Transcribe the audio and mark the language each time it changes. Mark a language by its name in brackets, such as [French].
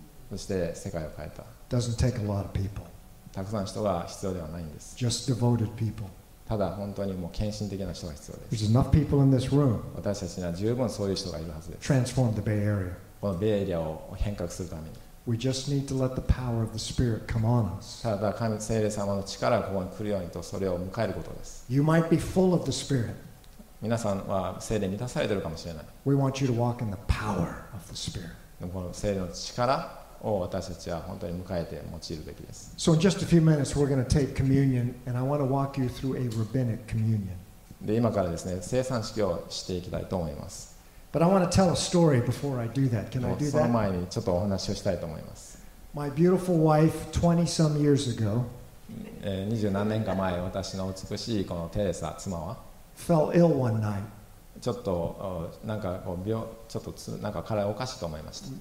[Japanese] そして世界を変えた。 [English] Doesn't take a lot of people. [Japanese] たくさん人が必要ではないんです。 [English] Just devoted people. [Japanese] ただ本当にもう献身的な人が必要です。 [English] There's enough people in this room. [Japanese] 私たちには十分そういう人がいるはずです。 [English] Transform the Bay Area. [Japanese] このベイエリアを変革するために。 [English] We just need to let the power of the Spirit come on us. [Japanese] ただ神聖霊様の力がここに来るようにとそれを迎えることです。 [English] You might be full of the Spirit. [Japanese] 皆さんは聖霊に満たされているかもしれない。 [English] We want you to walk in the power of the Spirit. [Japanese] でもこの聖霊の力を私たちは本当に迎えて用いるべきです。 [English] So in just a few minutes we're going to take communion and I want to walk you through a rabbinic communion. [Japanese] で今からですね、聖餐式をしていきたいと思います。 [English] But I want to tell a story before I do that. Can I do that? [Japanese] その前にちょっとお話をしたいと思います。 [English] My beautiful wife 20 some years ago. [Japanese] 20何年か前、私の美しいこのテレサ妻は [English] fell ill one night. [Japanese] ちょっとなんかこう病ちょっとつなんか体おかしいと思いました。